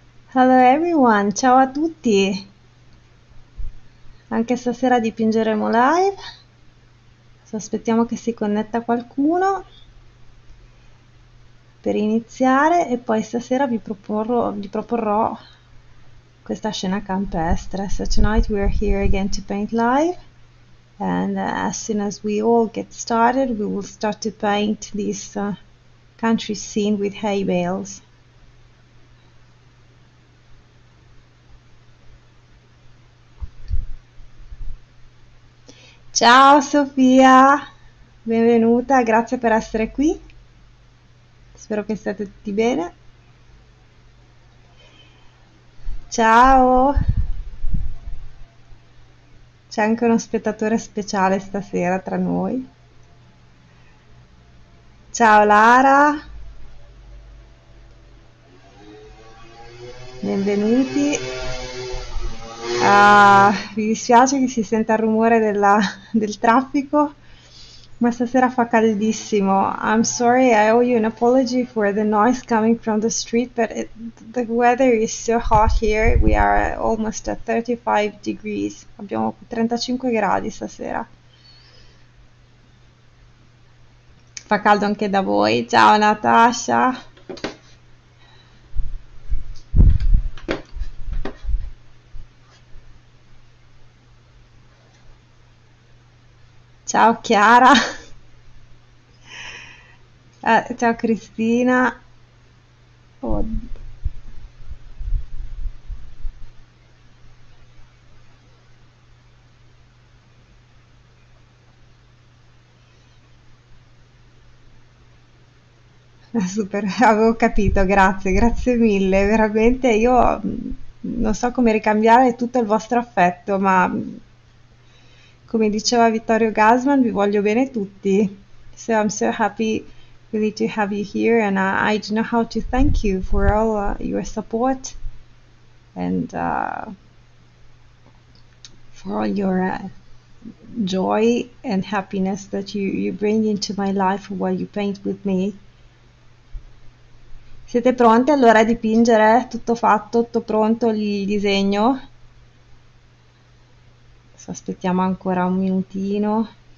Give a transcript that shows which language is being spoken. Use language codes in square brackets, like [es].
[en] Hello everyone, [it] ciao a tutti. Anche stasera dipingeremo live. Aspettiamo che si connetta qualcuno per iniziare e poi stasera vi proporrò questa scena campestre. [en] So tonight we are here again to paint live and as soon as we all get started, we will start to paint this country scene with hay bales. [it] Ciao Sofia, benvenuta, grazie per essere qui. Spero che state tutti bene. Ciao, c'è anche uno spettatore speciale stasera tra noi. Ciao Lara, benvenuti. Mi dispiace che si senta il rumore del traffico, ma stasera fa caldissimo. [en] I'm sorry, I owe you an apology for the noise coming from the street, but the weather is so hot here. We are almost at 35 degrees. [it] Abbiamo 35 gradi stasera. Fa caldo anche da voi. Ciao Natasha. Ciao Chiara, ciao Cristina, oh. Super, avevo capito, grazie, grazie mille, veramente io non so come ricambiare tutto il vostro affetto, ma come diceva Vittorio Gassman, vi voglio bene tutti. [en] So I'm so happy really to have you here and I don't know how to thank you for all your support and for all your joy and happiness that you bring into my life while you paint with me. [it] Siete pronti allora a dipingere? Tutto fatto, tutto pronto il disegno? Aspettiamo ancora un minutino.